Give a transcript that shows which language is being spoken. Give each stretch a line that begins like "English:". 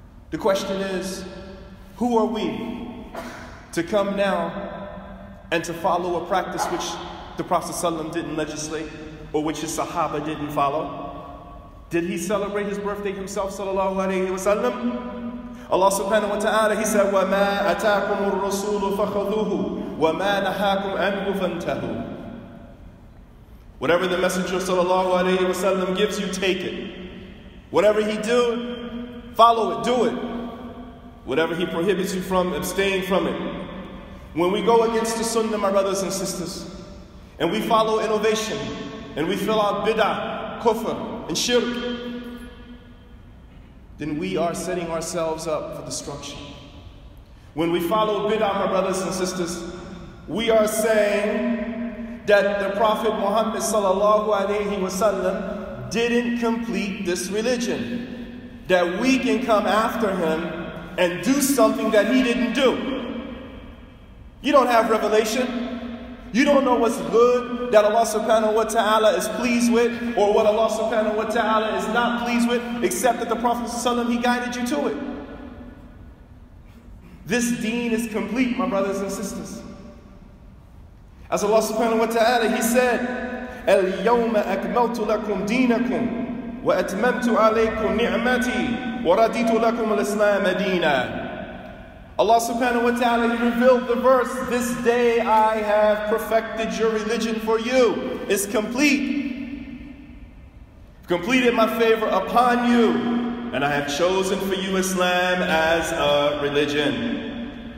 English: The question is, who are we to come now and to follow a practice which the Prophet ﷺ didn't legislate or which his Sahaba didn't follow? Did he celebrate his birthday himself, sallallahu alayhi wa sallam?
Arabic: Allah subhanahu wa ta'ala,
English: he said,
Arabic: وَمَا أَتَاكُمُ الرَّسُولُ فَخَذُوهُ وَمَا نَحَاكُمْ أَنْهُ فَانْتَهُ.
English: Whatever the Messenger sallallahu alayhi wa sallam gives you, take it. Whatever he do, follow it, do it. Whatever he prohibits you from, abstain from it. When we go against the sunnah, my brothers and sisters, and we follow innovation, and we fill out bid'ah, kufr, and shirk, then we are setting ourselves up for destruction. When we follow bid'ah, my brothers and sisters, we are saying that the Prophet Muhammad sallallahu alayhi wa sallam didn't complete this religion. That we can come after him and do something that he didn't do. You don't have revelation. You don't know what's good that Allah subhanahu wa ta'ala is pleased with, or what Allah subhanahu wa ta'ala is not pleased with, except that the Prophet ﷺ, he guided you to it. This deen is complete, my brothers and sisters. As Allah subhanahu wa ta'ala, he said,
Arabic: الْيَوْمَ أَكْمَلْتُ لَكُمْ دِينَكُمْ وَأَتْمَمْتُ عَلَيْكُمْ نِعْمَتِي وَرَدِيتُ لَكُمْ الْإِسْلَامَ دِينًا.
English: Allah subhanahu wa ta'ala, he revealed the verse, this day I have perfected your religion for you. It's complete. Completed my favor upon you, and I have chosen for you Islam as a religion.